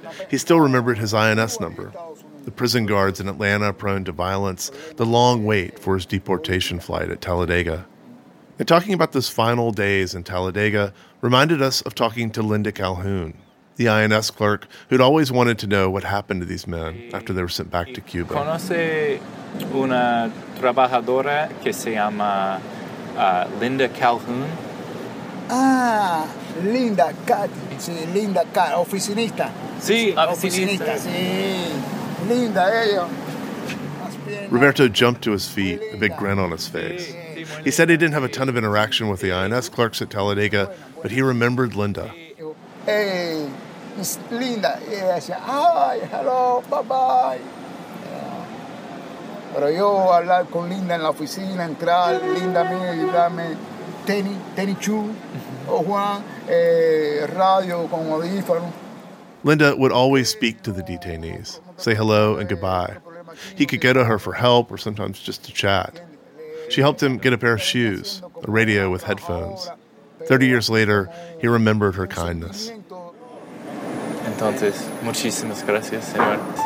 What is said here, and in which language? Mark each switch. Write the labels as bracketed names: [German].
[English] He still remembered his INS number, the prison guards in Atlanta prone to violence, the long wait for his deportation flight at Talladega. And talking about those final days in Talladega reminded us of talking to Linda Calhoun, the INS clerk who'd always wanted to know what happened to these men after they were sent back to Cuba. [Spanish] ¿Conoce una trabajadora que se llama Linda Calhoun? Ah, Linda, Kat. Sí, Linda Kat, oficinista. Sí, oficinista. Sí, Linda, ella. [English] Roberto jumped to his feet, a big grin on his face. He said he didn't have a ton of interaction with the INS clerks at Talladega, but he remembered Linda. Hey, Miss Linda. Yes. Hi, hello, bye-bye. [Spanish] Pero yo hablar con Linda en la oficina, entrar, Linda mía, y dame tenis chu, o Juan, radio con audífono. [English] Linda would always speak to the detainees, say hello and goodbye. He could go to her for help or sometimes just to chat. She helped him get a pair of shoes, a radio with headphones. 30 years later, he remembered her kindness. [Spanish] Entonces, muchísimas gracias, señor.